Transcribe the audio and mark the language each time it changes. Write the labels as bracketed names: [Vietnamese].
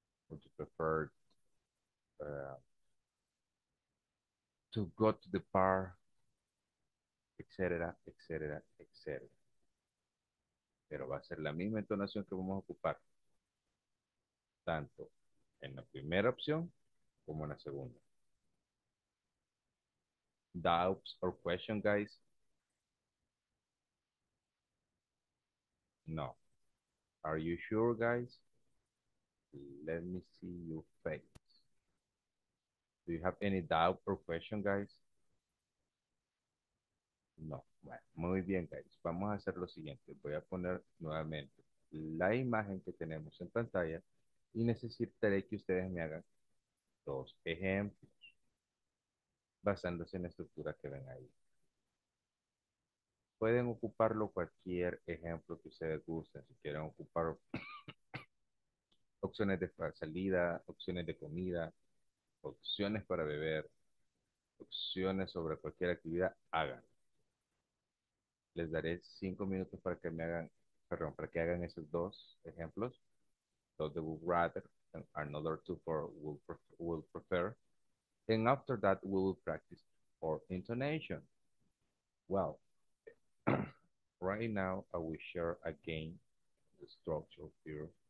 [English] Would you prefer to go to the park, etc., etc., etc. [Spanish] Pero va a ser la misma entonación que vamos a ocupar, tanto en la primera opción como en la segunda. [English] Doubts or question, guys? No. Are you sure, guys? Let me see your face. Do you have any doubt or question, guys? [Spanish] No. Bueno, muy bien, guys. Vamos a hacer lo siguiente. Voy a poner nuevamente la imagen que tenemos en pantalla y necesitaré que ustedes me hagan dos ejemplos basándose en la estructura que ven ahí. Pueden ocuparlo cualquier ejemplo que ustedes gusten. Si quieren ocupar opciones de salida, opciones de comida, opciones para beber, opciones sobre cualquier actividad, háganlo. Les daré 5 minutos para que me hagan, perdón, para que hagan esos dos ejemplos. [English] Those that would rather, and another two for will prefer. And after that, we will practice our intonation. Well, right now, I will share again the structure here.